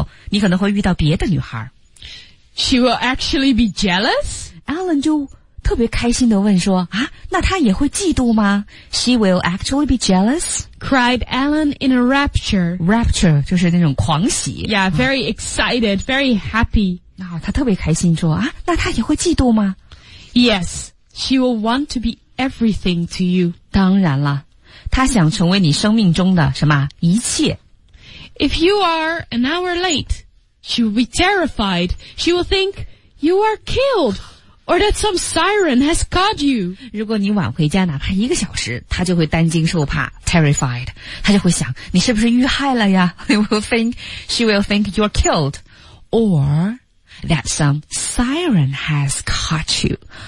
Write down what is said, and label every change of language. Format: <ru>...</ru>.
<zh>因为她就会担心,你要是不在她身边的时候,你可能会遇到别的女孩。</zh> <en>She will actually be jealous?</en> <zh>Alan 就 特别开心地问说,那她也会嫉妒吗?</zh> <en>She will actually be jealous? Cried Alan in a rapture.</en> <zh>Rapture,就是那种狂喜。</zh> <en>Yeah, very excited, very happy.</en> <zh>她特别开心说,那她也会嫉妒吗?</zh> <en>Yes, she will want to be everything to you.</en> <zh>当然了,她想成为你生命中的什么?一切。</zh> <en>If you are an hour late, she will be terrified. She will think you are killed. Or that some siren has caught you.</en> <zh>如果你晚回家哪怕一个小时,她就会担惊受怕, terrified. 她就会想,你是不是遇害了呀?</zh> <en>She will think you're killed. Or that some siren has caught you.</en>